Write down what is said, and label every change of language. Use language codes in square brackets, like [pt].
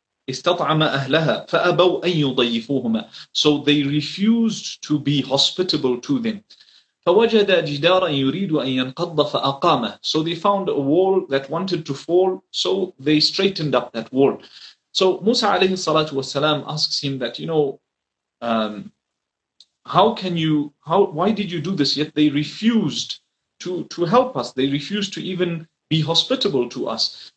[ar] استطعم أهلها فأبوا أن يضيفوهما. [en] So they refused to be hospitable to them. [ar] فوجد جدارا يريد أن ينقض فأقامه. [en] So they found a wall that wanted to fall, so they straightened up that wall. So Musa عليه الصلاة والسلام asks him that, you know, why did you do this? Yet they refused to help us. They refused to even be hospitable to us.